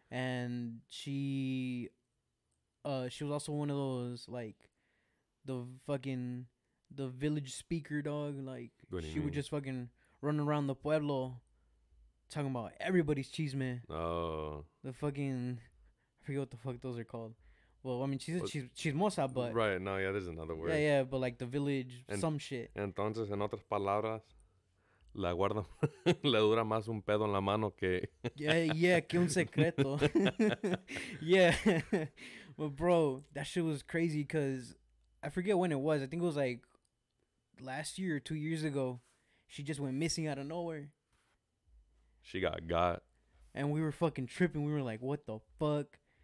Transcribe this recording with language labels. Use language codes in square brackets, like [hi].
[en] And she was also one of those, like, the village speaker, dog. Like, she would just fucking run around the pueblo talking about everybody's chisme. Oh. The fucking, I forget what the fuck those are called. Well, I mean, she's chismosa, but... Right, no, yeah, there's another word. Yeah, yeah, but like the village, some shit. [es] Entonces, en otras palabras, la guarda, le dura más un pedo en la mano que... yeah, que un secreto. Yeah. [en] But bro, that shit was crazy because I forget when it was. I think it was like last year or 2 years ago. She just went missing out of nowhere. She got. And we were fucking tripping. We were like, what the fuck?